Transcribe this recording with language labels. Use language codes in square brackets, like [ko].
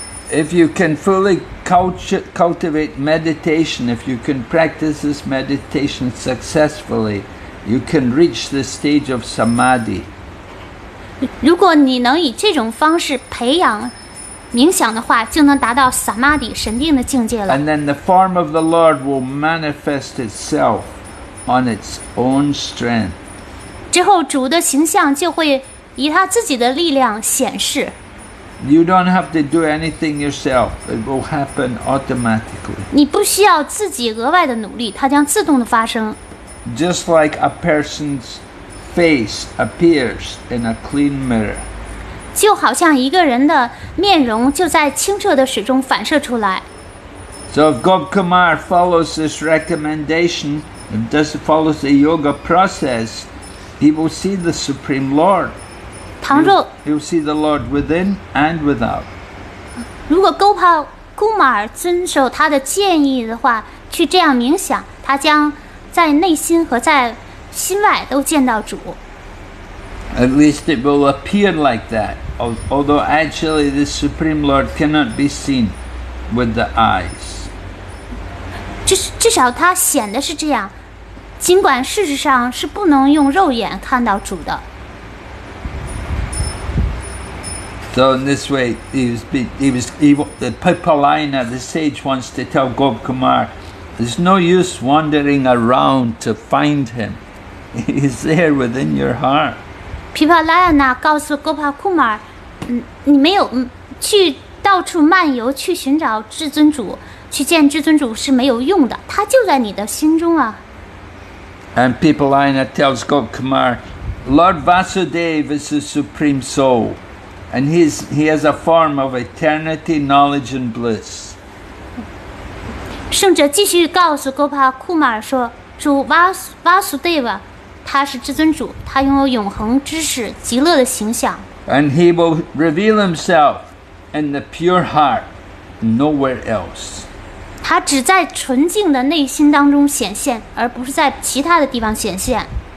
[en] If you can fully cultivate meditation, if you can practice this meditation successfully, you can reach the stage of samadhi. [zh] 如果你能以这种方式培养冥想的话，就能达到 samadhi 神定的境界了。 [en] And then the form of the Lord will manifest itself on its own strength. [zh] 之后主的形象就会以他自己的力量显示。 [en] You don't have to do anything yourself. It will happen automatically. [zh] 你不需要自己额外的努力，它将自动的发生。 [en] Just like a person's face appears in a clean mirror. [zh] 就好像一个人的面容就在清澈的水中反射出来。 [en] So if Gop Kumar follows this recommendation, if he follows the yoga process, he will see the Supreme Lord. You'll see the Lord within and without. [zh] 如果 Gopal Kumar 遵守他的建议的话，去这样冥想，他将在内心和在心外都见到主。 [en] At least it will appear like that, although actually the Supreme Lord cannot be seen with the eyes. [zh] 至少他显得是这样，尽管事实上是不能用肉眼看到主的。 [en] So in this way, the Pipalayana, the sage, wants to tell Gop Kumar, there's no use wandering around to find him. He's there within your heart. [zh] Pipalayana 告诉 Gopal Kumar, 你没有去到处漫游去寻找至尊主，去见至尊主是没有用的，他就在你的心中啊。 [en] And Pipalayana tells Gop Kumar, Lord Vasudeva is the Supreme Soul. And he has a form of eternity, knowledge, and bliss. [zh] 圣者继续告诉 Gopal Kumar 说，主 Vasudeva 他是至尊主，他拥有永恒知识、极乐的形象。 [en] And he will reveal himself in the pure heart, nowhere else. [zh] 他只在纯净的内心当中显现，而不是在其他的地方显现。